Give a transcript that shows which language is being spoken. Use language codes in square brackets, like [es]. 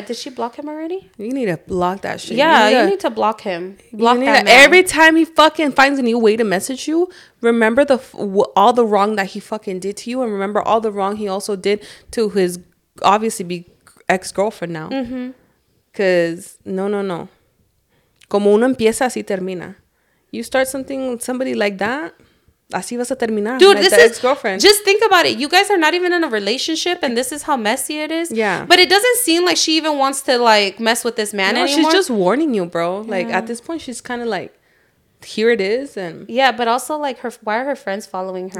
[en] Did she block him already? You need to block that shit. Yeah, you need to block him. Block that man. Every time he fucking finds a new way to message you, remember all the wrong that he fucking did to you, and remember all the wrong he also did to his obviously be ex-girlfriend now. Because no, [es] como uno empieza así termina. [en] You start something with somebody like that, [es] así vas a terminar. [en] Dude, like this is ex-girlfriend. Just think about it, you guys are not even in a relationship, and this is how messy it is. Yeah, but it doesn't seem like she even wants to like mess with this man anymore. She's just warning you, bro. Like, at this point she's kind of like, here it is. And yeah, but also like, her, why are her friends following her?